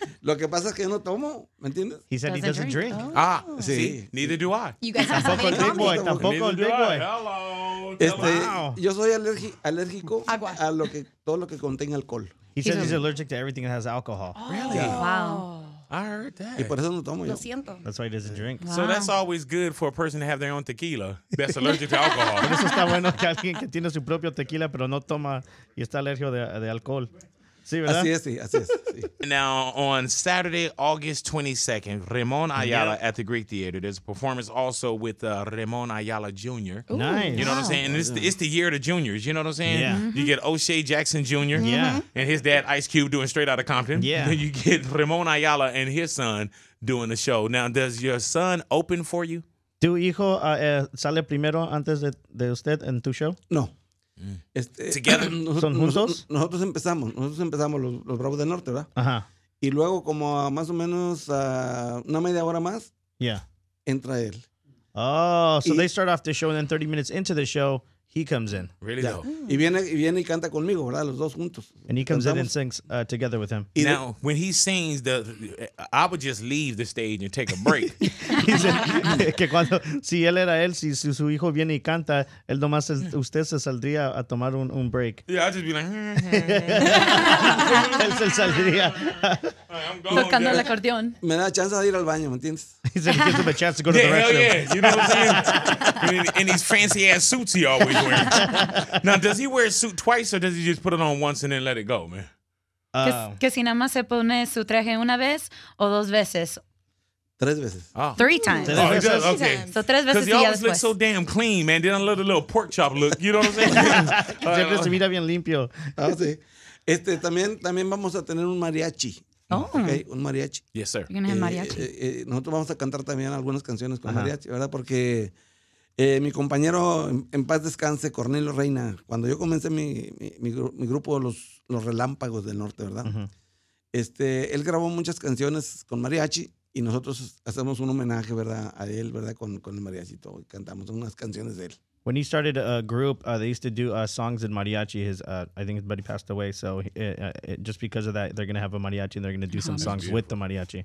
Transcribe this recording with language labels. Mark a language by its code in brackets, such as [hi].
[es] Lo que pasa es que yo no tomo, ¿me entiendes? [en] He said he doesn't drink. Oh. [es] Ah, sí. Sí. [en] Neither do I. You guys have to [es] big boy. Tampoco el big boy. [en] Hello. [es] Yo soy alérgico a lo que todo lo que contenga alcohol. [en] He said he's allergic to everything that has alcohol. Really? Yeah. Wow. I heard that. [es] Y por eso no tomo lo Siento. [en] That's why he doesn't drink. Wow. So that's always good for a person to have their own tequila that's allergic to alcohol. [es] Por eso está bueno que alguien que tiene su propio tequila pero no toma y está alérgico de alcohol. Sí, ¿verdad? Así es. [en] Now, on Saturday, August 22nd, Ramón Ayala at the Greek Theater. There's a performance also with Ramón Ayala Jr. Ooh, nice. You know what I'm saying? It's the year of the juniors. You know what I'm saying? Yeah. Mm-hmm. You get O'Shea Jackson Jr. Yeah. And his dad, Ice Cube, doing Straight Outta Compton. Yeah. Then you get Ramón Ayala and his son doing the show. Now, does your son open for you? [es] ¿Tu hijo sale primero antes de usted en tu show? No. [en] Together. [es] ¿Son juntos? Nosotros empezamos los Bravos del Norte, ¿verdad? Ajá. Y luego como a más o menos una media hora más, entra él. [en] Oh, so they start off the show and then 30 minutes into the show, he comes in. Really though. [es] Y viene y canta conmigo, ¿verdad? Los dos juntos. [en] And he comes in and sings together with him. Now, when he sings, I would just leave the stage and take a break. [es] Que cuando, si él era él, si su hijo viene y canta, él nomás usted se saldría a tomar un break. [en] Yeah, I'd just be like... [es] Él se saldría... tocando el acordeón. Me da chance de ir al baño, ¿me entiendes? [en] He said he gives him a chance to go to the restroom. Yeah, you know what I'm saying? In these fancy ass suits he always wears. Now, does he wear a suit twice or does he just put it on once and then let it go, man? [es] Que si nada más se pone su traje una vez o dos veces. Tres veces. [en] Three times. Oh, he does, okay. [es] So tres veces. [en] Because he always looks so damn clean, man. Then I love the little pork chop look. You know what I'm saying? [es] Siempre se mira bien limpio. Ah, sí. También vamos a tener un mariachi. Okay, un mariachi. [en] Yes, sir. You're gonna have mariachi. [es] Nosotros vamos a cantar también algunas canciones con mariachi, ¿verdad? Porque mi compañero, en paz descanse, Cornelio Reina, cuando yo comencé mi grupo, los Relámpagos del Norte, ¿verdad? Uh-huh. Él grabó muchas canciones con mariachi y nosotros hacemos un homenaje, ¿verdad? A él, ¿verdad? Con el mariachito. Y cantamos unas canciones de él. [en] When he started a group, they used to do songs in mariachi. I think his buddy passed away. So just because of that, they're going to have a mariachi and they're going to do some songs with the mariachi.